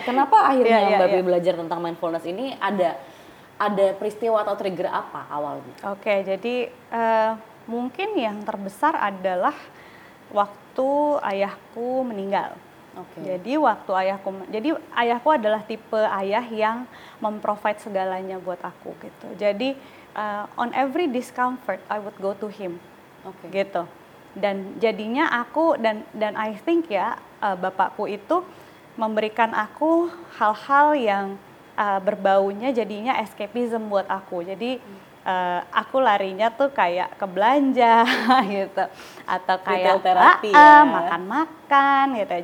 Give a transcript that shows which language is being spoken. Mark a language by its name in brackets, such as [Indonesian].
[Indonesian] Kenapa akhirnya Mbak Pi belajar tentang mindfulness ini, ada peristiwa atau trigger apa awalnya? Okay, jadi mungkin yang terbesar adalah waktu ayahku meninggal. Okay. Jadi ayahku adalah tipe ayah yang memprovide segalanya buat aku gitu. [English] Jadi on every discomfort I would go to him. Okay. Gitu. [Indonesian] Dan jadinya aku dan [English] I think [Indonesian] ya bapakku itu memberikan aku hal-hal yang berbaunya jadinya escapism buat aku. Jadi aku larinya tuh kayak ke belanja gitu, atau kayak makan-makan gitu.